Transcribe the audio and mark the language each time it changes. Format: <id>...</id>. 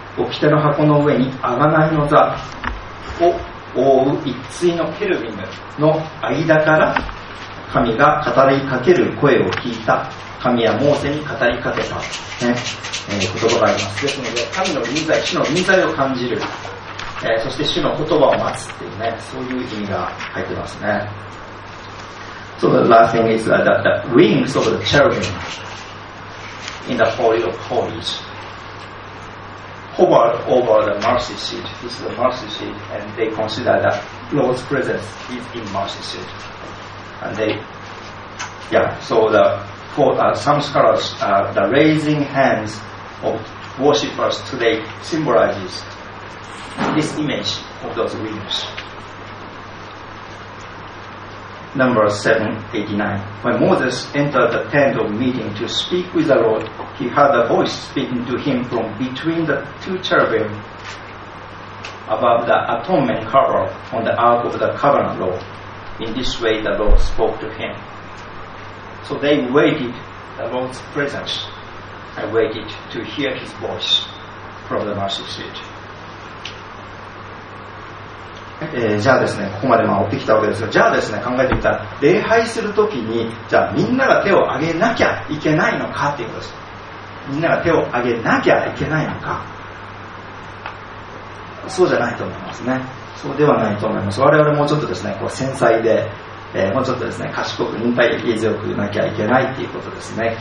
<ja>掟の箱の上に贖いの座を覆う一対のケルビムの間から神が語りかける声を聞いた。神はモーセに語りかけた、ね、言葉があります。ですので神の臨在、主の臨在を感じる、そして主の言葉を待つっていうね、そういう意味が入ってますね。</ja> <en>So the last thing is that the wings of the cherubim in the Holy of Holies hovered over the mercy seat. This is the mercy seat, and they consider that Lord's presence is in mercy seat. And they, yeah, so the some scholars, the raising hands of worshippers today symbolizes this image of those wings. Numbers 7:89. When Moses entered the tent of meeting to speak with the Lord, he heard a voice speaking to him from between the two cherubim above the atonement cover on the ark of the covenant law. In this way the Lord spoke to him. So they waited the Lord's presence and waited to hear his voice from the mercy seat.</en> <ja>じゃあですね、ここまで回ってきたわけですが、じゃあですね、考えてみたら、礼拝するときに、じゃあみんなが手を挙げなきゃいけないのかっていうことです。みんなが手を挙げなきゃいけないのか。そうじゃないと思いますね。そうではないと思います。我々もうちょっとですね、こう繊細で、もうちょっとですね、賢く忍耐力強くなきゃいけないっていうことですね。</ja>